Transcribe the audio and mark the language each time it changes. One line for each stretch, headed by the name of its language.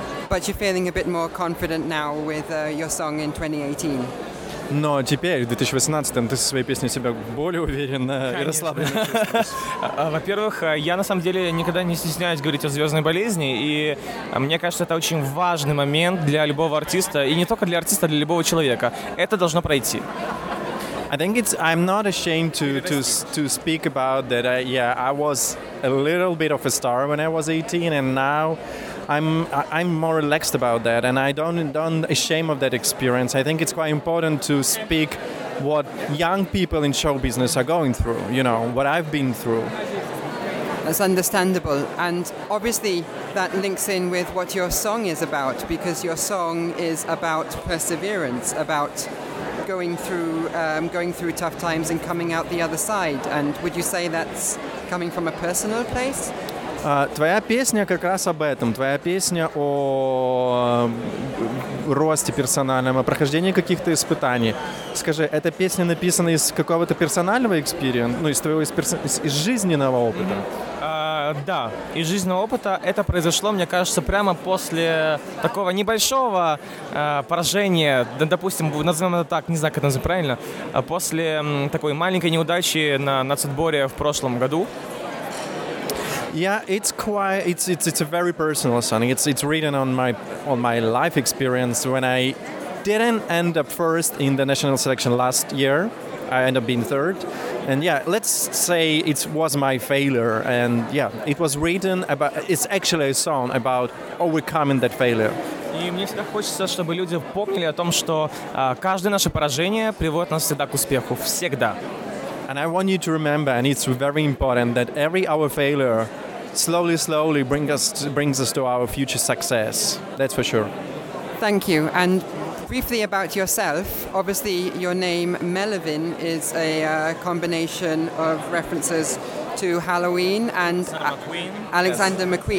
English: But you're feeling a bit more confident now with your song in 2018.
Russian: Но теперь, в 2018-м, ты со своей песней себя более уверен и расслаблен. Во-первых, я на самом деле никогда не стесняюсь говорить о звездной болезни, и мне кажется, это очень важный момент для любого артиста, и не только для артиста, для любого человека. Это должно пройти.
English: I think it's I'm not ashamed to speak about that. I was a little bit of a star when I was 18, and now I'm more relaxed about that, and I don't ashamed of that experience. I think it's quite important to speak what young people in show business are going through. You know what I've been through. That's understandable, and obviously that links in with what your song is about, because your song is about perseverance, about going through tough times and coming out the other side. And would you say that's coming from a personal place?
Russian: Твоя песня как раз об этом. Твоя песня о росте персональном, о прохождении каких-то испытаний. Скажи, эта песня написана из какого-то персонального experience, ну, из твоего из жизненного опыта? Да, из жизненного опыта. Это произошло, мне кажется, прямо после такого небольшого поражения, допустим, назовем это так, не знаю, как это назвать правильно, после такой маленькой неудачи на нацотборе в прошлом году.
English: Yeah, it's a very personal song. It's written on my life experience when I didn't end up first in the national selection last year. I ended up being third. And yeah, let's say it was my failure. And yeah, it was written about, it's actually a song about overcoming that failure.
Russian: И мне всегда хочется, чтобы люди помнили о том, что каждое наше поражение приводит нас всегда к успеху. Всегда.
English: And I want you to remember, and it's very important, that every our failure slowly, slowly brings us to our future success. That's for sure. Thank you. And briefly about yourself, obviously your name Melvin is a combination of references to Halloween and Alexander McQueen.